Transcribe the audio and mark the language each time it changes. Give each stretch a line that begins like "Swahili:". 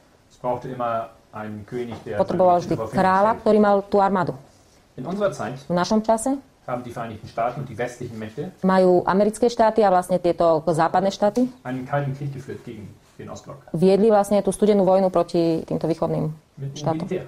German: Es brauchte immer einen König, der...
Slovak: Potreboval vždy kráľa, ktorý mal tú armádu.
German: In unserer Zeit...
Slovak: V našom čase...
German: haben die Vereinigten Staaten und die westlichen Mächte
Slovak: majú americké štáty a vlastne tieto západné štáty
German: einen kalten Krieg geführt gegen den Ostblock.
Slovak: Viedli vlastne tú studenú vojnu proti týmto východným štátom.